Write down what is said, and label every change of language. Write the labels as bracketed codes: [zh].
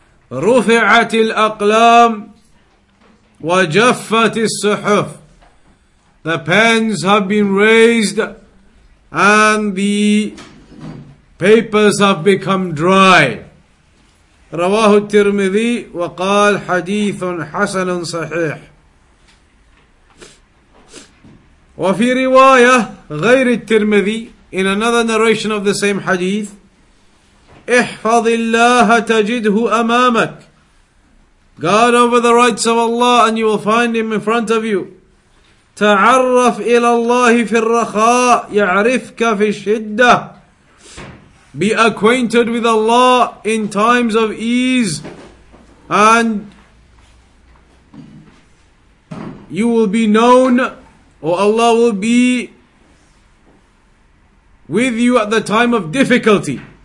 [ar] رُفِعَتِ الْأَقْلَامِ وَجَفَّتِ الصُّحُفِ. [en] The pens have been raised and the papers have become dry. [ar] رواه الترمذي وقال حديث حسن صحيح وفي رواية غير الترمذي. [en] In another narration of the same hadith, [ar] احفظ الله تجده أمامك. [en] Guard over the rights of Allah and you will find him in front of you. [ar] تعرف إلى الله في الرخاء يعرفك في الشدة. [en] Be acquainted with Allah in times of ease and you will be known, or Allah will be with you at the time of difficulty.